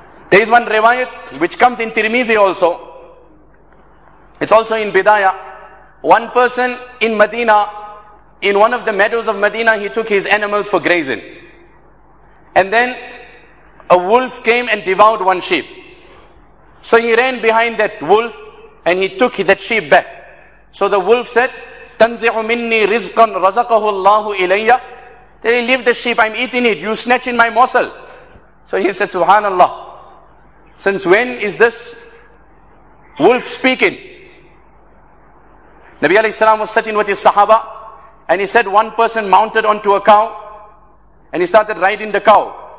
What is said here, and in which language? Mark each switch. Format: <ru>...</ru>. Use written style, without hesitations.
<en>There is one riwayat which comes in Tirmizi also. It's also in Bidaya. One person in Medina, in one of the meadows of Medina, he took his animals for grazing. And then a wolf came and devoured one sheep. So he ran behind that wolf and he took that sheep back. So the wolf said,</en> <ar>تَنْزِعُ مِنِّي رِزْقًا رَزَقَهُ اللَّهُ إِلَيَّ.</ar> <en>Then he leave the sheep, I'm eating it, you snatching my morsel. So he said, Subhanallah, since when is this wolf speaking? Nabi alayhi salam was sitting with his sahaba and he said, one person mounted onto a cow and he started riding the cow.</en>